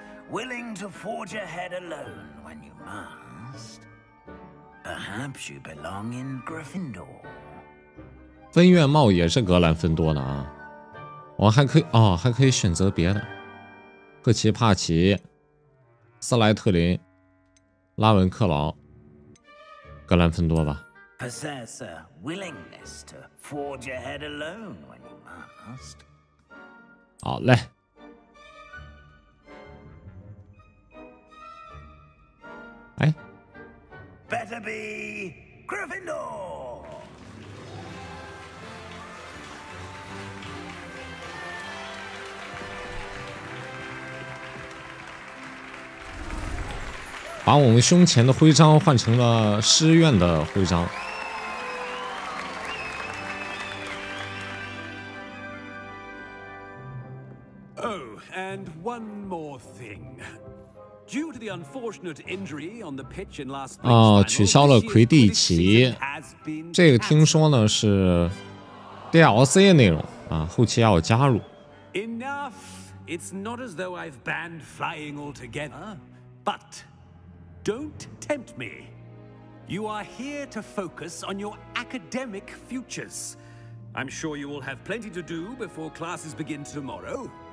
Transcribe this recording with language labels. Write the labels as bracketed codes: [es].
[en] Willing to forge ahead alone when you must. Perhaps you belong in Gryffindor. [zh] 分院帽也是格兰芬多的啊。我还可以，哦，还可以选择别的。赫奇帕奇，斯莱特林。拉文克劳，格兰芬多吧。 [en] Possess a willingness to forge ahead alone when you must. [zh] 好嘞。哎。 [en] Better be Gryffindor. [zh] 把我们胸前的徽章换成了诗院的徽章。 [en] Oh, and one more thing. Due to the unfortunate injury on the pitch in last [zh] week, 取消了魁地奇。这个听说呢是 DLC 的内容啊，后期要加入。 [en] Enough. It's not as though I've banned flying altogether, but. Don't tempt me. You are here to focus on your academic futures. I'm sure you will have plenty to do before classes begin tomorrow.